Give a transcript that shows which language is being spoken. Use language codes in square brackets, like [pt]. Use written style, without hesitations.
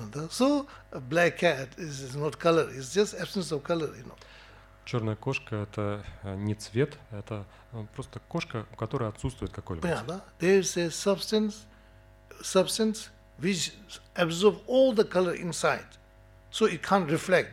[en] So black cat is not color, it's just absence of color, you know. [ru] Черная кошка – это не цвет, это просто кошка, у которой отсутствует какой-либо цвет. Понятно, да? [en] There is a substance which absorbs all the color inside, so it can't reflect.